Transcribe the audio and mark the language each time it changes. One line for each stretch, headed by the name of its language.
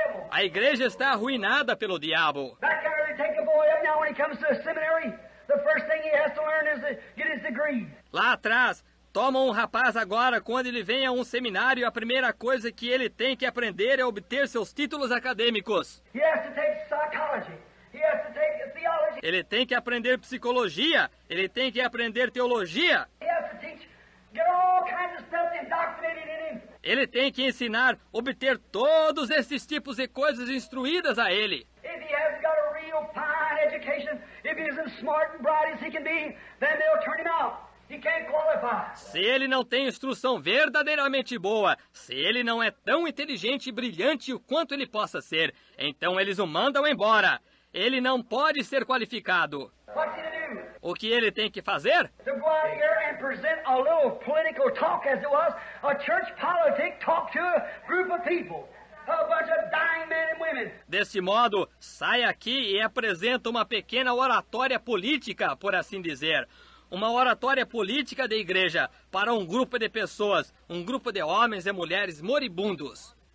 Portuguese: A igreja está arruinada pelo diabo.
English: Back there, they take the boy up. when he comes to a seminary, the first thing he has to learn is to get his degree.
Portuguese: Lá atrás, toma um rapaz agora, quando ele vem a um seminário, a primeira coisa que ele tem que aprender é obter seus títulos acadêmicos.
English: He has to take psychology. He has to take theology.
Portuguese: Ele tem que aprender psicologia. Ele tem que aprender teologia.
English: He has to teach, get all kinds of stuff indoctrinated in him.
Portuguese: Ele tem que ensinar, obter todos esses tipos de coisas instruídas a ele.
English: If he hasn't got a real fine education, if he isn't smart and bright as he can be, then they'll turn him out. He can't qualify.
Portuguese: Se ele não tem instrução verdadeiramente boa, se ele não é tão inteligente e brilhante o quanto ele possa ser, então eles o mandam embora. Ele não pode ser qualificado.
English: What's he to do?
Portuguese: O que ele tem que fazer?
English: To go out here and present a little political talk, as it was, a church politic talk to a group of people. A bunch of dying men and women.
Portuguese: Deste modo, sai aqui e apresenta uma pequena oratória política, por assim dizer. Uma oratória política da igreja para um grupo de pessoas, um grupo de homens e mulheres moribundos.